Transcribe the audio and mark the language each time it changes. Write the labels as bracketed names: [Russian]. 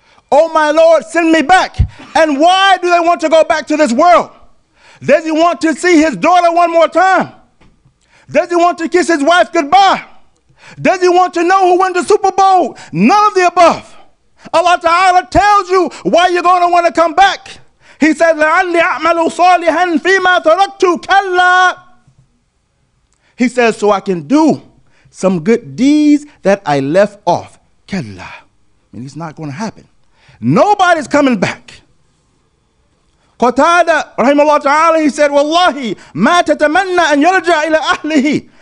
[English] Oh my Lord, send me back. And why do they want to go back to this world? Does he want to see his daughter one more time? Does he want to kiss his wife goodbye? Does he want to know who won the Super Bowl? None of the above. Allah Ta'ala tells you why you're going to want to come back. He says, [Arabic] لَعَلِّي أَعْمَلُ صَالِحًا فِي مَا تَرَكْتُ كَلَّا. [English] He says, so I can do some good deeds that I left off. [Arabic] كَلَّا. [English] I mean, it's not going to happen. Nobody's coming back. Qatada, rahimahullah ta'ala, he said, Wallahi, [Arabic] مَا تَتَمَنَّا أَنْ يَرْجَعَ إِلَىٰ أَهْلِهِ.